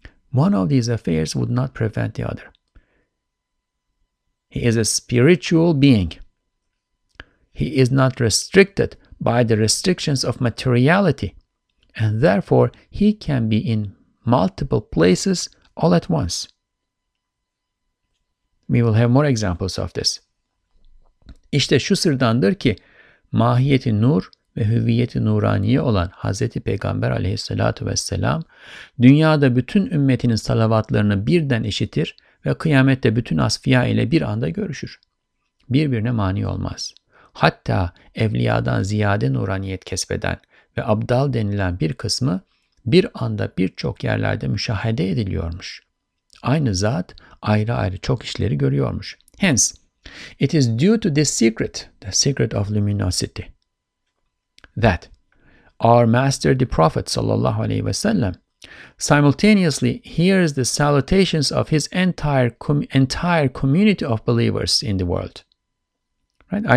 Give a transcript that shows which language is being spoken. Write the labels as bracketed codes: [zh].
[en] One of these affairs would not prevent the other. He is a spiritual being. He is not restricted by the restrictions of materiality, and therefore he can be in multiple places all at once. We will have more examples of this. [tr] İşte şu sırdandır ki, mahiyeti nur ve hüviyeti nuraniye olan Hazreti Peygamber aleyhissalatu vesselam, dünyada bütün ümmetinin salavatlarını birden işitir ve kıyamette bütün asfiya ile bir anda görüşür. Birbirine mani olmaz. Hatta evliyadan ziyade nuraniyet kesbeden ve abdal denilen bir kısmı bir anda birçok yerlerde müşahede ediliyormuş. Aynı zat ayrı ayrı çok işleri görüyormuş. [en] Hence, it is due to this secret, the secret of luminosity, that our master the Prophet [ar] sallallahu alaihi wasallam [en] simultaneously hears the salutations of his entire community of believers in the world. Right?